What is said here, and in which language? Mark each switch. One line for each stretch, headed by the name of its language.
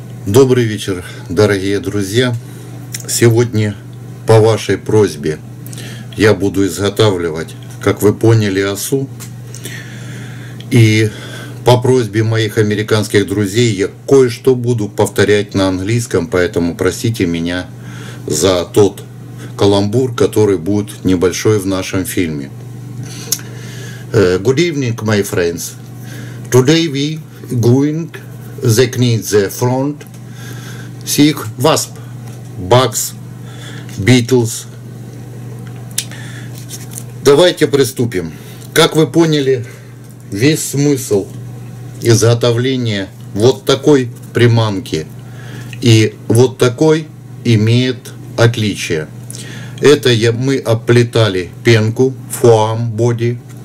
Russian: Добрый вечер, дорогие друзья. Сегодня по вашей просьбе я буду изготавливать, как вы поняли, осу. И по просьбе моих американских друзей я кое-что буду повторять на английском, поэтому простите меня за тот каламбур, который будет небольшой в нашем фильме.
English: Good evening, my friends. Today we going to clean the front. Сих wasp, bugs, beetles.
Russian: Давайте приступим. Как вы поняли, весь смысл изготовления вот такой приманки и вот такой имеет отличие. Это мы оплетали пенку,
English: foam body.